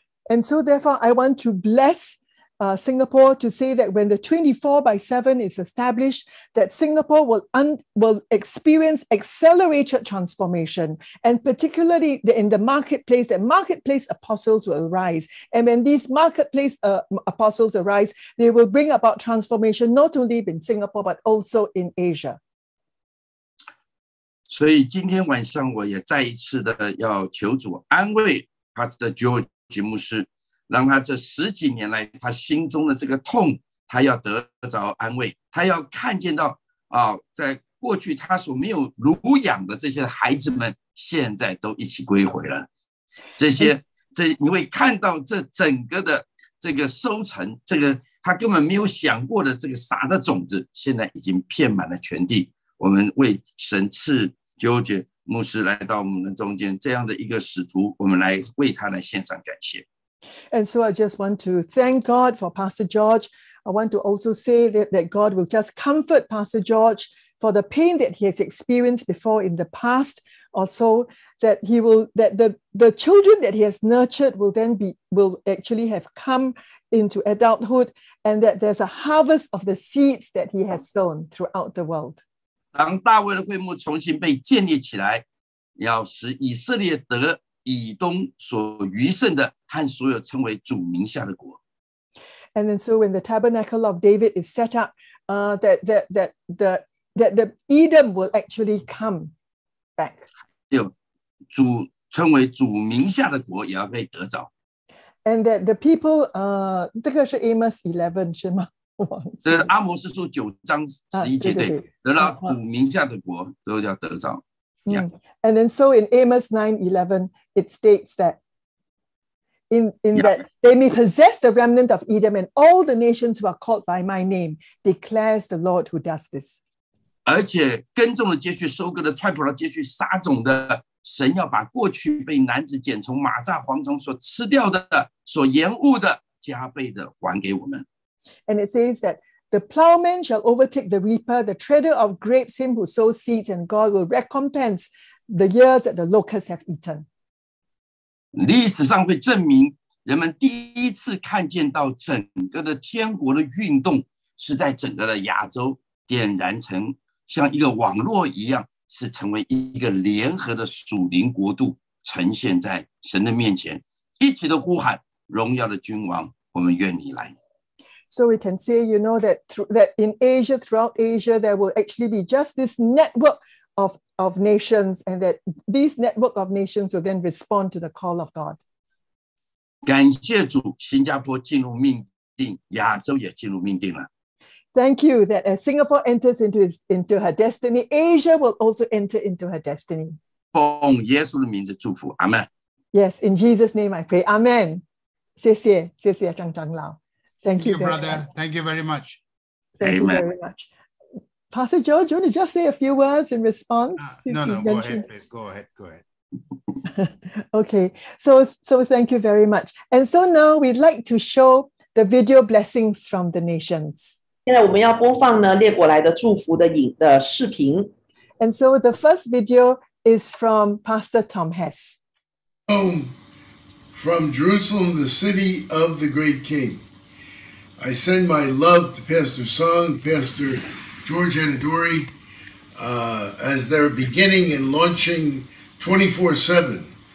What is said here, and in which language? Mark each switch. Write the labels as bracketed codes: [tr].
[en] And so therefore I want to blessSingapore to say that when the 24/7 is established, that Singapore will experience accelerated transformation, and particularly in the marketplace, that marketplace apostles will arise. And when these marketplace apostles arise, they will bring about transformation not only in Singapore, but also in Asia. [zh] 所以今天晚上我也再一次的要求主安慰 Pastor George 牧师让他这十几年来他心中的这个痛他要得着安慰他要看见到、啊、在过去他所没有乳养的这些孩子们现在都一起归回了这些这你会看到这整个的这个收成这个他根本没有想过的这个撒的种子现在已经遍满了全地我们为神赐George牧师来到我们的中间这样的一个使徒我们来为他来献上感谢 [en] And so I just want to thank God for Pastor George. I want to also say that God will just comfort Pastor George for the pain that he has experienced before in the past. Also, that he will that the children that he has nurtured will then be will actually have come into adulthood, and that there's a harvest of the seeds that he has sown throughout the world. [zh] 当大卫的会幕重新被建立起来，要使以色列得。以东所余剩的和所有称为主名下的国 [en] And then so when the tabernacle of David is set up that the Edom will actually come back [zh] 主称为主名下的国也要被得着 [en] And that the people [zh] 这个是 Amos 11是吗这是阿摩斯书九章十一节对得到主名下的国都要得着 [en] Yeah. And then so in Amos 9:11, it states that that they may possess the remnant of Edom and all the nations who are called by my name, declares the Lord who does this. [zh] 而且耕种的接续收割的踹捕的接续撒种的神要把过去被男子捡从马蚱蝗虫所吃掉的所延误的加倍的还给我们。 [en] And it says that The plowman shall overtake the reaper, the treader of grapes, him who sows seeds, and God will recompense the years that the locusts have eaten. [zh] 历史上会证明，人们第一次看见到整个的天国的运动是在整个的亚洲点燃成像一个网络一样，是成为一个联合的属灵国度呈现在神的面前，一起的呼喊：荣耀的君王，我们愿你来。 [en] So we can say, you know, that in Asia, throughout Asia, there will actually be just this network of nations and that these network of nations will then respond to the call of God. [zh] 感谢主，新加坡进入命定，亚洲也进入命定了。 [en] Thank you that as Singapore enters into her destiny, Asia will also enter into her destiny. [zh] 奉耶稣的名字祝福，阿们。 [en] Yes, in Jesus' name I pray, Amen. [zh] 谢谢，谢谢张长老。 [en] Thank you, brother. Thank you very much. Pastor George, do you want to just say a few words in response? Go ahead. Okay. So thank you very much. And so now we'd like to show the video blessings from the nations. [zh] 现在我们要播放呢列国来的祝福的影的视频。 [en] And so the first video is from Pastor Tom Hess. From Jerusalem, the city of the great king. I send my love to Pastor Song, Pastor George Annadorai, as they're beginning and launching 24/7.